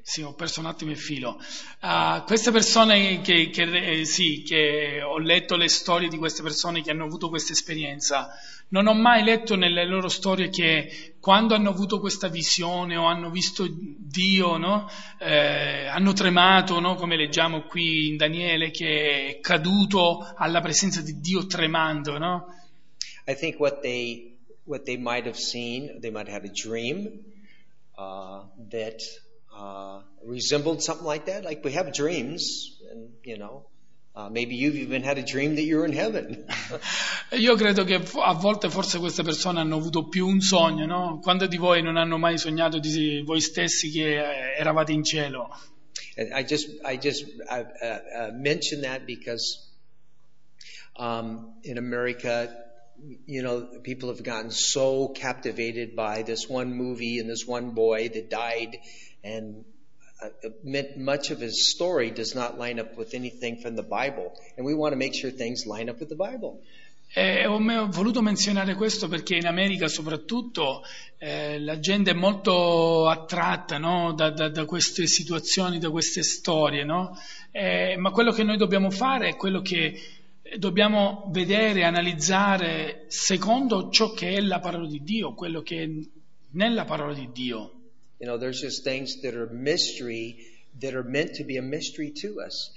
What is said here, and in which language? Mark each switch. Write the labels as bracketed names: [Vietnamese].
[Italian] Sì, ho perso un attimo il filo. Queste persone che ho letto le storie di queste persone che hanno avuto questa esperienza, non ho mai letto nelle loro storie che quando hanno avuto questa visione o hanno visto Dio, no? Hanno tremato, no? Come leggiamo qui in Daniele, che è caduto alla presenza di Dio tremando, no? [English] I think what they might have seen, they might have had a dream that resembled something like that. Like we have dreams, and you know, maybe you've even had a dream that you're in heaven. [Italian] Io credo che a volte forse queste persone hanno avuto più un sogno, no? Quanti di voi non hanno mai sognato di voi stessi che eravate in cielo? [English] And I mentioned that because in America, you know, people have gotten so captivated by this one movie and this one boy that died. And much of his story does not line up with anything from the Bible, and we want to make sure things line up with the Bible. [Italian] Ho voluto menzionare questo perché in America soprattutto la gente è molto attratta, no, da queste situazioni, da queste storie, no? Ma quello che noi dobbiamo fare è quello che dobbiamo vedere, analizzare secondo ciò che è la parola di Dio, quello che è nella parola di Dio. [English] You know, there's just things that are mystery, that are meant to be a mystery to us.